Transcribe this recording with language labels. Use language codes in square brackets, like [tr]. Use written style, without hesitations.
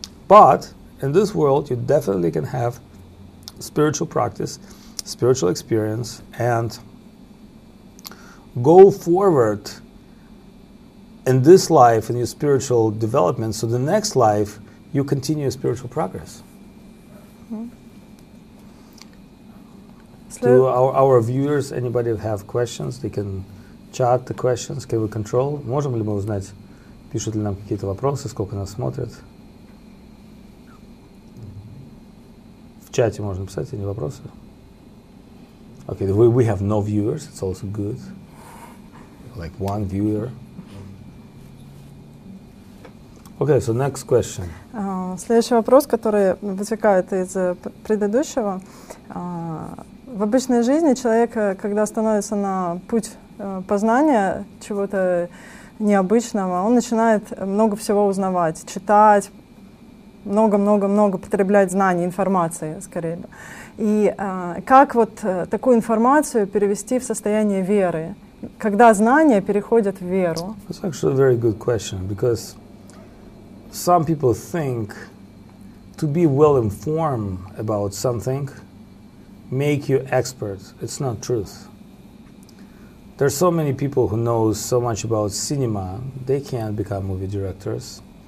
[en] But in this world, you definitely can have spiritual practice, spiritual experience, and go forward in this life, in your spiritual development, so the next life, you continue spiritual progress. Mm-hmm. To our viewers, anybody have questions, they can chat the questions, can we control? [ru] Можем ли мы узнать, пишут ли нам какие-то вопросы, сколько нас смотрят? В чате можно писать, они вопросы? [en] Okay, we have no viewers, it's also good. Like one viewer. Okay, so next question. [ru] Следующий вопрос, который вытекает из предыдущего. В обычной жизни человек, когда становится на путь познания чего-то необычного, он начинает много всего узнавать, читать, много-много-много потреблять знаний, информации, скорее бы. И как вот такую информацию перевести в состояние веры, когда знания переходят в веру? [en] That's actually a very good question, because some people think to be well informed about something make you expert. It's not truth. There are so many people who know so much about cinema, they can't become movie directors.